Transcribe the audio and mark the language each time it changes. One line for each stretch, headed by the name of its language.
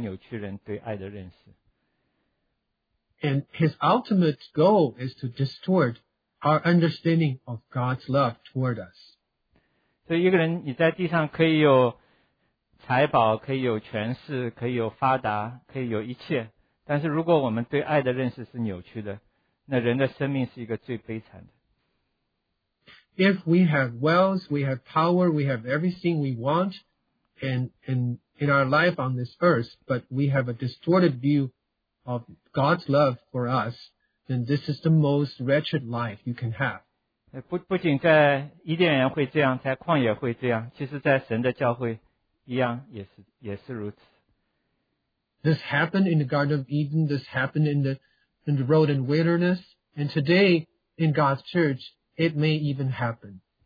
Chinese: 所以撒旦要做的工作就是要扭曲人对爱的认识。
English: And his ultimate goal is to distort our understanding of God's love toward us.
Chinese: 所以一个人你在地上可以有 财宝可以有权势，可以有发达，可以有一切。但是如果我们对爱的认识是扭曲的，那人的生命是一个最悲惨的。
English: If we have wealth, we have power, we have everything we want, and in our life on this earth, but we have a distorted view of God's love for us, then this is the most wretched life you can have.
Chinese: 不仅在伊甸园会这样，在旷野会这样，其实在神的教会。
English: This happened in the Garden of Eden, this happened in the road and wilderness, and today in God's church, it may even happen.